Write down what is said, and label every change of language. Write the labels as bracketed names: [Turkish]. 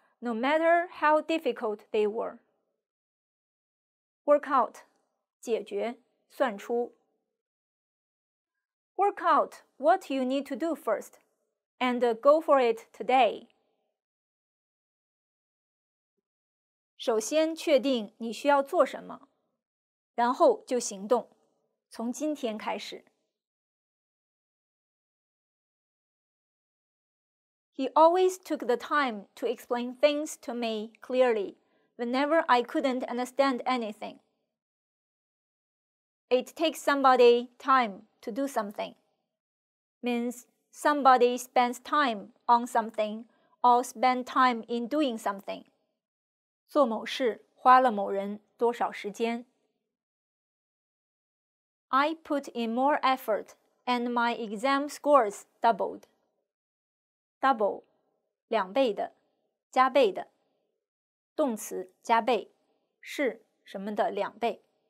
[English] no matter how difficult they were. Work out, [Chinese] 解决，算出。 [English] Work out what you need to do first, and go for it today. [Chinese] 首先确定你需要做什么，然后就行动，从今天开始。 [English] He always took the time to explain things to me clearly whenever I couldn't understand anything. It takes somebody time to do something. Means somebody spends time on something or spend time in doing something. [Chinese] 做某事花了某人多少时间。 [English] I put in more effort and my exam scores doubled. [Chinese] Double, 两倍的，加倍的。动词加倍，是什么的两倍。